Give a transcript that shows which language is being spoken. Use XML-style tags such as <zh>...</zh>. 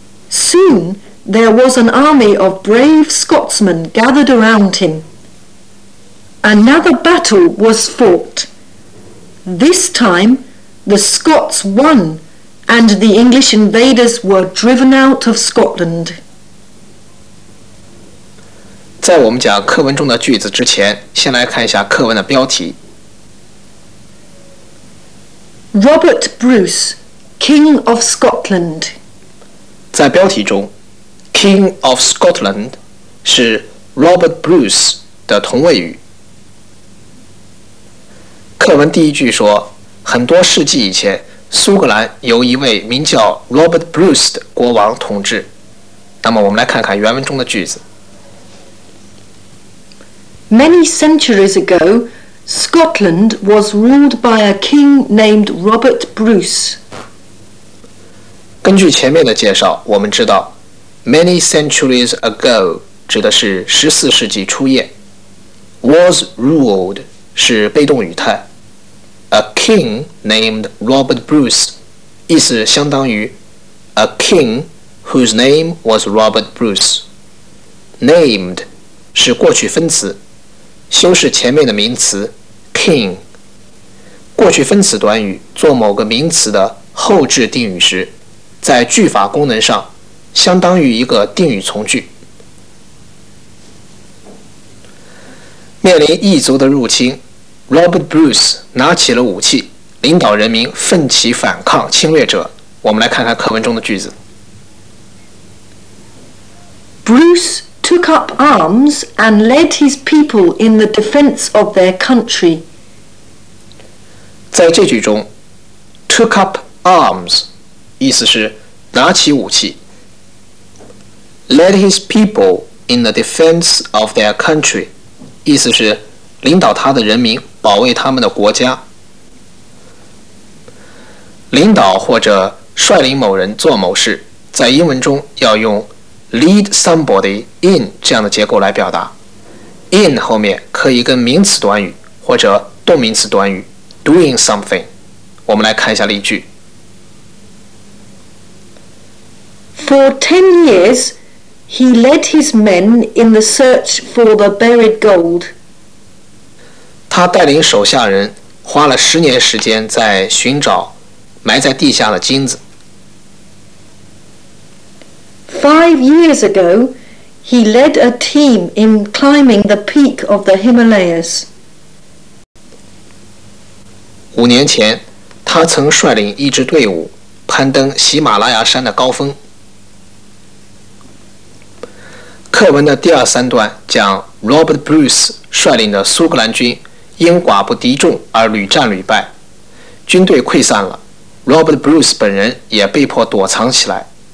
<en>Soon there was an army of brave Scotsmen gathered around him. Another battle was fought. This time the Scots won, and the English invaders were driven out of Scotland.</en> <zh>在我们讲课文中的句子之前，先来看一下课文的标题。</zh> <en>Robert Bruce, King of Scotland.</en> <zh>在标题中 ,King of Scotland 是 Robert Bruce 的同位语。课文第一句说，很多世纪以前，苏格兰由一位名叫 Robert Bruce 的国王统治。那么我们来看看原文中的句子。</zh> <en>Many centuries ago,Scotland was ruled by a king named Robert Bruce.</en> <zh>根据前面的介绍，我们知道</zh> <en>many centuries ago</en> <zh>指的是14世纪初叶。 Was ruled 是被动语态。</zh> <en>A king named Robert Bruce</en> <zh>意思相当于</zh> <en>A king whose name was Robert Bruce.</en> <zh>Named 是过去分词，修饰前面的名词King, 过去分词短语做某个名词的后置定语时，在句法功能上相当于一个定语从句。面临异族的入侵， Robert Bruce 拿起了武器，领导人民奋起反抗侵略者。我们来看看课文中的句子。</zh> <en>Bruce took up arms and led his people in the defense of their country.</en> <zh>在这句中，</zh> <en>took up arms</en> <zh>意思是拿起武器，</zh> <en>led his people in the defense of their country</en> <zh>意思是领导他的人民保卫他们的国家。领导或者率领某人做某事，在英文中要用lead somebody in 这样的结构来表达， in 后面可以跟名词短语或者动名词短语 doing something。我们来看一下例句。</zh> <en>For 10 years he led his men in the search for the buried gold。</en> <zh>他带领手下人花了10年时间在寻找埋在地下的金子。</zh> <en>5 years ago, he led a team in climbing the peak of the Himalayas.</en> <zh>5年前，他曾率领一支队伍攀登喜马拉雅山的高峰。课文的第二三段讲 Robert Bruce 率领的苏格兰军因寡不敌众而屡战屡败，军队溃散了， Robert Bruce 本人也被迫躲藏起来。</zh>